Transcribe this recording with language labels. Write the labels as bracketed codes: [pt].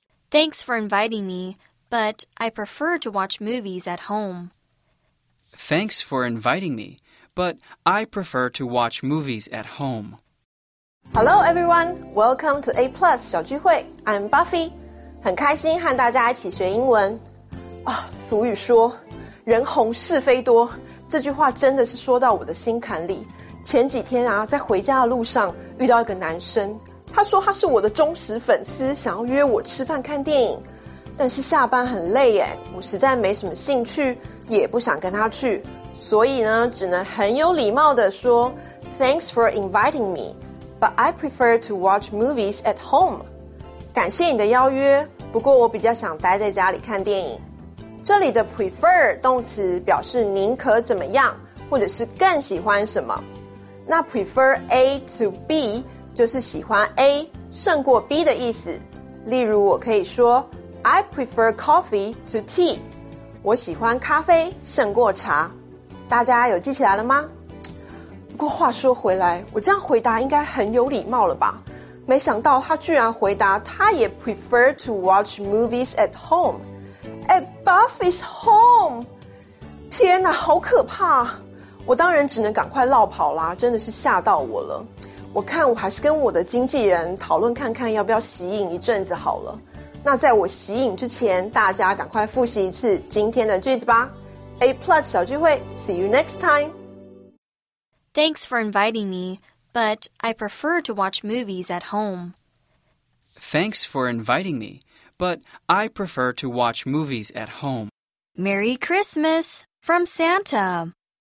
[en] Thanks for inviting me, but I prefer to watch movies at home. Thanks for inviting me, but I prefer to watch movies at home. Hello, everyone. Welcome to A-Plus 小聚会. I'm Buffy. [zh] 很开心和大家一起学英文。俗语说，人红是非多，这句话真的是说到我的心坎里。前几天啊，在回家的路上遇到一个男生，他说他是我的忠实粉丝，想要约我吃饭看电影，但是下班很累耶，我实在没什么兴趣，也不想跟他去，所以呢，只能很有礼貌地说 [en] Thanks for inviting me, but I prefer to watch movies at home. [zh] 感谢你的邀约，不过我比较想待在家里看电影。这里的 prefer 动词表示宁可怎么样，或者是更喜欢什么。那 prefer A to B就是喜欢 A 胜过 B 的意思，例如我可以说 [en] I prefer coffee to tea， [zh] 我喜欢咖啡胜过茶。大家有记起来了吗？不过话说回来，我这样回答应该很有礼貌了吧？没想到他居然回答他也 [en] prefer to watch movies at home。 At Buffy's home， [zh] 天哪，好可怕！我当然只能赶快落跑啦，真的是吓到我了。我看我还是跟我的经纪人讨论看看要不要息影一阵子好了。那在我息影之前，大家赶快复习一次今天的句子吧。A Plus 小聚会 ， [en] See you next time。 Thanks for inviting me, but I prefer to watch movies at home. Thanks for inviting me, but I prefer to watch movies at home. Merry Christmas from Santa!